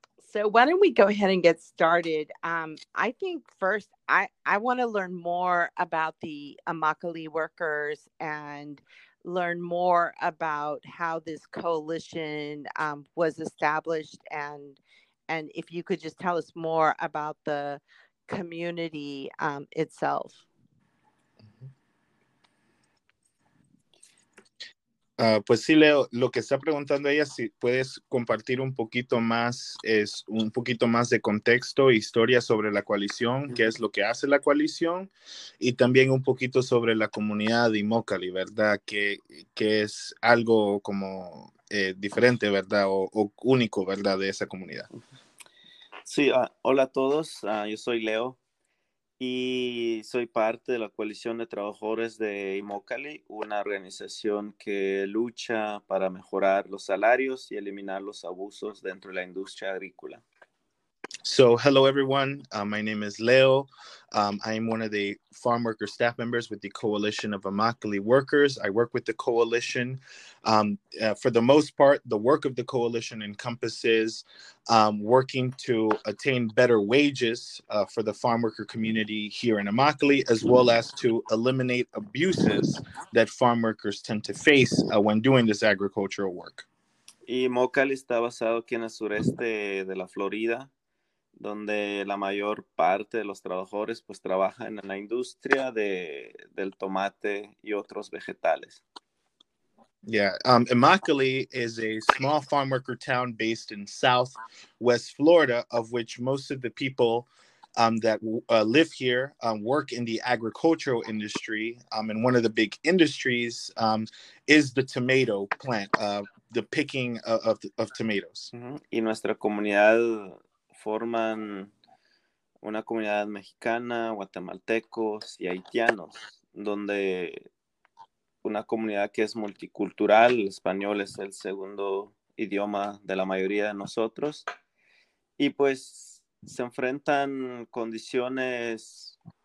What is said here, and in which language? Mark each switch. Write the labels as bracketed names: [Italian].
[English] So why don't we go ahead and get started? I think first I want to learn more about the Amacali workers and learn more about how this coalition was established, and if you could just tell us more about the community itself. [Spanish] Pues sí, Leo, lo que está preguntando ella, si puedes compartir un poquito más, es un poquito más de contexto, historia sobre la coalición, qué es lo que hace la coalición, y también un poquito sobre la comunidad de Imokalee, ¿verdad? Que es algo como diferente, ¿verdad? O único, ¿verdad? De esa comunidad. Sí, hola a todos, yo soy Leo. Y soy parte de la Coalición de Trabajadores de Imokalee, una organización que lucha para mejorar los salarios y eliminar los abusos dentro de la industria agrícola. [English] So, hello everyone. My name is Leo. I am one of the farm worker staff members with the Coalition of Imokalee Workers. I work with the coalition. For the most part, the work of the coalition encompasses working to attain better wages for the farm worker community here in Imokalee, as well as to eliminate abuses that farm workers tend to face when doing this agricultural work. [Spanish] Imokalee está basado aquí en el sureste de la Florida, donde la mayor parte de los trabajadores pues trabajan en la industria del tomate y otros vegetales. [English] Yeah, Imokalee is a small farm worker town based in southwest Florida, of which most of the people live here work in the agricultural industry, and one of the big industries is the tomato plant, the picking of tomatoes. [Spanish] Y nuestra comunidad forman una comunidad mexicana, guatemaltecos y haitianos, donde una comunidad que es multicultural, el español es el segundo idioma de la mayoría de nosotros, y pues se enfrentan condiciones